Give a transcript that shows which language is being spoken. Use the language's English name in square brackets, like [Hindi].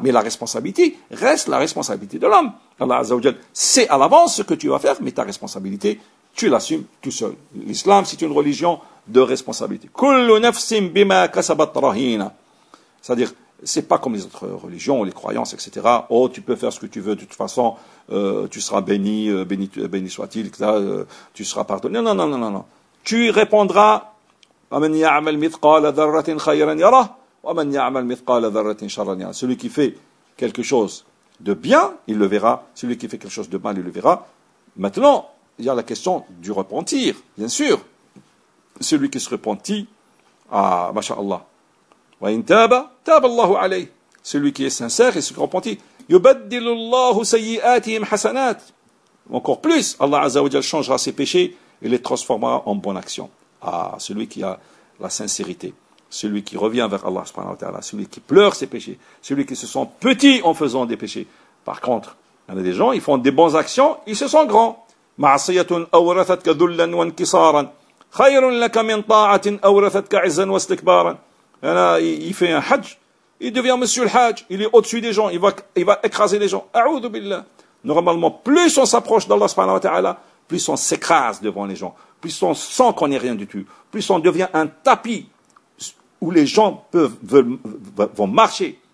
[French] Mais la responsabilité reste la responsabilité de l'homme. Allah Azza wa Jal sait à l'avance ce que tu vas faire, mais ta responsabilité, tu l'assumes tout seul. L'islam, c'est une religion de responsabilité. [Arabic] Kullu nafsin bima kasabat rahina. [French] C'est-à-dire, c'est pas comme les autres religions, les croyances, etc. Oh, tu peux faire ce que tu veux, de toute façon, tu seras béni soit-il, etc. Tu seras pardonné. Non, non, non, non, non. Tu répondras, [Arabic] وَمَنْ يَعْمَلْ مِثْقَالَ ذَرَّةٍ خَيْرًا يَرَهُ وَمَنْ يَعْمَلْ مِثْقَالَ ذَرَّةٍ شَرًّا يَرَهُ. [French] Celui qui fait quelque chose de bien, il le verra. Celui qui fait quelque chose de mal, il le verra. Maintenant, il y a la question du repentir, bien sûr. Celui qui se repentit, ah, masha'Allah. [Arabic] Wa in taba, taba Allahu alayh. [French] Celui qui est sincère et se repentit. [Arabic] Yubaddilu Allahu sayyi'atihim hasanat. [French] Encore plus, Allah Azza wa Jal changera ses péchés et les transformera en bonnes actions. Ah, celui qui a la sincérité. Celui qui revient vers Allah subhanahu wa ta'ala. Celui qui pleure ses péchés. Celui qui se sent petit en faisant des péchés. Par contre, il y en a des gens, ils font des bonnes actions, ils se sentent grands. [Arabic] Ma'asiyatun awrathat ka dhullan wa inkisaran. خير لك من طاعة أورثتك عزا واستكبارا. [French] Il fait un hajj, il devient monsieur le hajj, il est au-dessus des gens, il va écraser les gens. [Arabic] A'oudou billah. [French] Normalement, plus on s'approche d'Allah subhanahu wa ta'ala, plus on s'écrase devant les gens, plus on sent qu'on n'est rien du tout, plus on devient un tapis où les gens vont marcher.